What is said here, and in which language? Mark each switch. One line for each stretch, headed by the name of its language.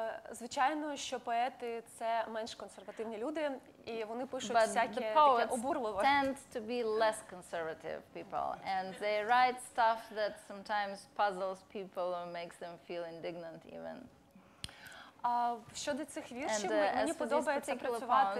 Ukrainian: Звичайно, що поети – це менш консервативні люди, і вони пишуть всяке таке обурливе.
English: But the poets tend to be less conservative people, and they write stuff that sometimes puzzles people or makes them feel indignant even.
Ukrainian: Щодо цих віршів, мені подобається працювати